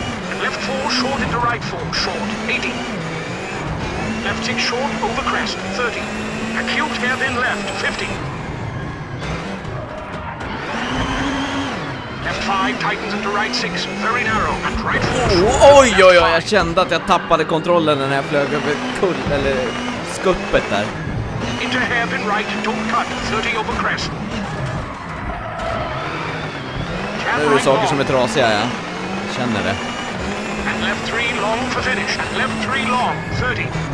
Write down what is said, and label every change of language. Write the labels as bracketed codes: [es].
[en] And left four short into right four short, 80. Left six short over crest, 30. Acute hairpin left, 50. Left five tightens into right six, very narrow, and right four. [sv] Oj, oj, oj, jag kände att jag tappade kontrollen när jag flög över kull, eller skuppet där. [en] Into hairpin right, don't cut, 30 over crest. [sv] Nu är det saker som är trasiga, ja. Jag känner det. [en] And left three long for finish, and left three long, 30.